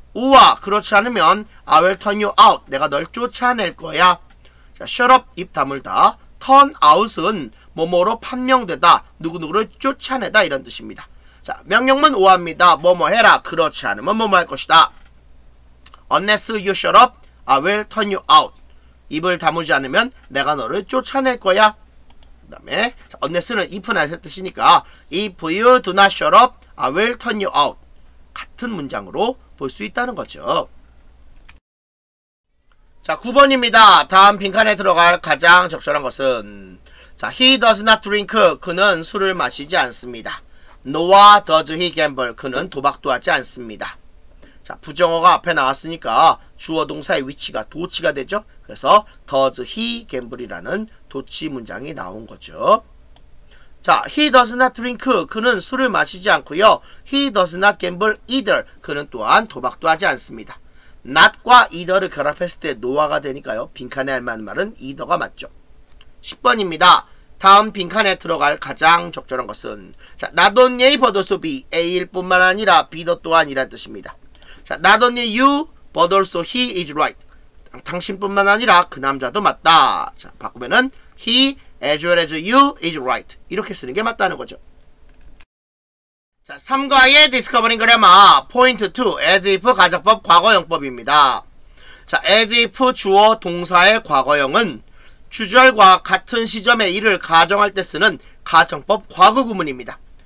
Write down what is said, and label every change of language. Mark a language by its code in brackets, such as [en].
[ko] 우와, 그렇지 않으면 [en] I will turn you out. [ko] 내가 널 쫓아낼 거야. 자, [en] shut up, [ko] 입 다물다. [en] turn out [ko] 은 뭐뭐로 판명되다. 누구누구를 쫓아내다. 이런 뜻입니다. 자, 명령문 우와입니다. 뭐뭐 해라. 그렇지 않으면 뭐뭐 할 것이다. [en] unless you shut up, I will turn you out. [ko] 입을 다물지 않으면 내가 너를 쫓아낼 거야. [en] 그 다음에 [ko] unless는 if not의 뜻이니까 [en] if you do not shut up, I will turn you out. [ko] 같은 문장으로 볼 수 있다는 거죠. 자, 9번입니다. 다음 빈칸에 들어갈 가장 적절한 것은 자, [en] He does not drink. [ko] 그는 술을 마시지 않습니다. [en] Nor does he gamble. [ko] 그는 도박도 하지 않습니다. 자, 부정어가 앞에 나왔으니까 주어 동사의 위치가 도치가 되죠. 그래서 [en] does he gamble [ko] 이라는 도치 문장이 나온 거죠. [en] 자, he does not drink. [ko] 그는 술을 마시지 않고요. [en] He does not gamble either. [ko] 그는 또한 도박도 하지 않습니다. not과 either를 결합했을 때 노화가 되니까요. 빈칸에 할 만한 말은 either가 맞죠. 10번입니다. 다음 빈칸에 들어갈 가장 적절한 것은 자, [en] not only but also be. [ko] A일 뿐만 아니라 be도 또한 이란 뜻입니다. [en] 자, not only you but also he is right. [ko] 당신뿐만 아니라 그 남자도 맞다. [en] 자, 바꾸면은 he as well as you is right. [ko] 이렇게 쓰는 게 맞다는 거죠. 자, 3과의 Discovering Grammar Point 2 As if 가정법 과거형법입니다. 자, as if 주어 동사의 과거형은 주절과 같은 시점의 일을 가정할 때 쓰는 가정법 과거 구문입니다.